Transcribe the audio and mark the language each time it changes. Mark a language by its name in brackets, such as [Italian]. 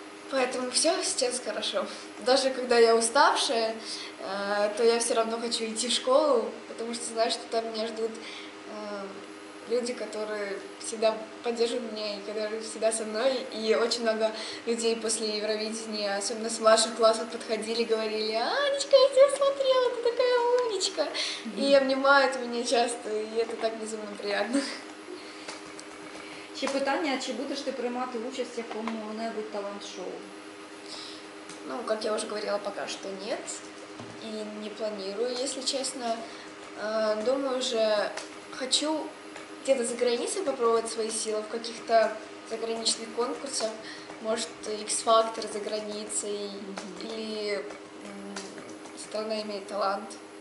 [Russian] Поэтому все сейчас хорошо. Даже когда я уставшая, то я все равно хочу идти в школу, потому что знаю, что там меня ждут люди, которые всегда поддерживают меня и которые всегда со мной. И очень много людей после Евровидения, особенно с младших классов, подходили, говорили: «Анечка, я тебя смотрела, ты такая умничка!» И обнимают меня часто, и это так безумно приятно. [Ukrainian] Чи питання, чи будеш ти приймати участь в якому-небудь талант-шоу? [Russian] Ну, как я уже говорила, пока что нет. И не планирую, если честно. Думаю же, хочу где-то за границей попробовать свои силы в каких-то заграничных конкурсах. Может, X-Factor за границей или «Страна имеет талант».